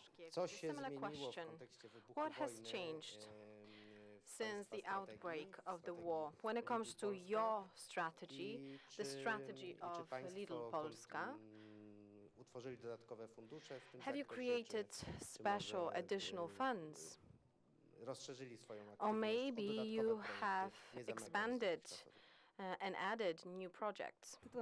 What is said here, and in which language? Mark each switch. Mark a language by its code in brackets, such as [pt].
[pl] Co się zmieniło w kontekście wybuchu wojny? [en] What has changed since the outbreak of the war? When it comes to your strategy, the strategy of Little Polska, [pl] utworzyli dodatkowe fundusze w tym [en] have you created special additional funds? [pl] Rozszerzyli swoją aktywność. [en] Or maybe you have expanded and added new projects.